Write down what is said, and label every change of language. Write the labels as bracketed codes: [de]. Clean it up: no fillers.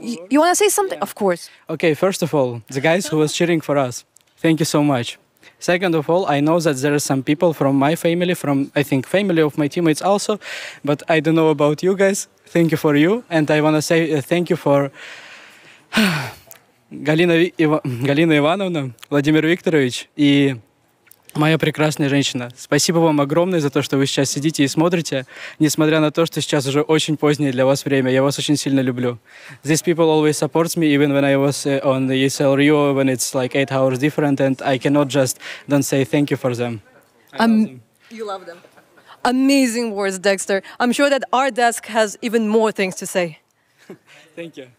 [en] You want to say something? Yeah. Of course. Okay, first of all, the guys who was cheering for us, thank you so much. Second of all, I know that there are some people from my family, from, I think, family of my teammates also, but I don't know about you guys. Thank you for you. And I want to say thank you for... [ru] Галина Ивановна, Владимир Викторович и... Моя прекрасная женщина, спасибо вам огромное за то, что вы сейчас сидите и смотрите, несмотря на то, что сейчас уже очень позднее для вас время. Я вас очень сильно люблю. [en] These people always support me, even when I was on the ESL Rio, when it's like 8 hours different, and I cannot just don't say thank you for them. You love them. Amazing words, Dexter. I'm sure that our desk has even more things to say. Thank you.